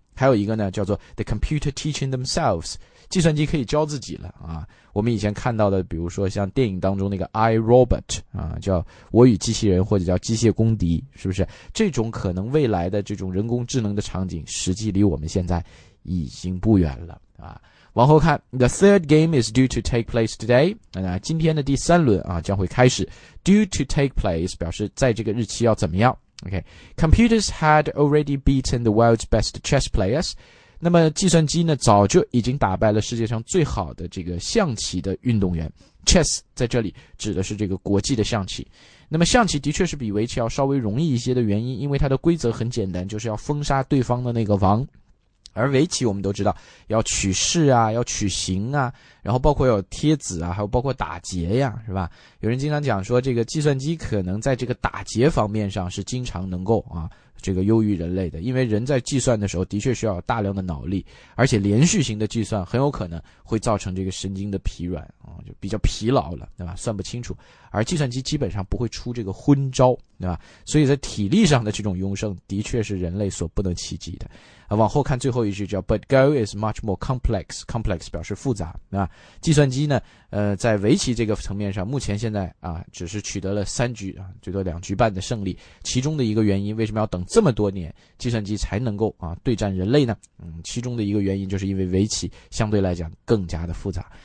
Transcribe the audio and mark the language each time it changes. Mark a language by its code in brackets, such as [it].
[zh] 还有一个呢叫做 [en] The computer teaching themselves， [zh] 计算机可以教自己了啊。我们以前看到的比如说像电影当中那个 iRobot 啊，叫我与机器人或者叫机械公敌，是不是这种可能未来的这种人工智能的场景实际离我们现在已经不远了啊。往后看 [en] The third game is due to take place today、 [zh] 啊、今天的第三轮啊将会开始。 [en] Due to take place [zh] 表示在这个日期要怎么样。 [en] Okay, computers had already beaten the world's best chess players. [zh] 那么计算机呢早就已经打败了世界上最好的这个象棋的运动员。 Chess 在这里指的是这个国际的象棋。那么象棋的确是比围棋要稍微容易一些的原因，因为它的规则很简单，就是要封杀对方的那个王。而围棋我们都知道要取士啊，要取形啊，然后包括要贴子啊，还有包括打劫呀，是吧？有人经常讲说这个计算机可能在这个打劫方面上是经常能够啊这个优于人类的，因为人在计算的时候的确需要大量的脑力，而且连续型的计算很有可能会造成这个神经的疲软啊，就比较疲劳了，对吧？算不清楚，而计算机基本上不会出这个昏招，对吧？所以在体力上的这种优胜的确是人类所不能企及的。往后看最后一句叫 [en] But Go is much more complex. [zh] Complex 表示复杂，对吧？计算机呢在围棋这个层面上目前现在啊只是取得了三局啊最多两局半的胜利。其中的一个原因，为什么要等这么多年计算机才能够啊对战人类呢？其中的一个原因就是因为围棋相对来讲更加的复杂。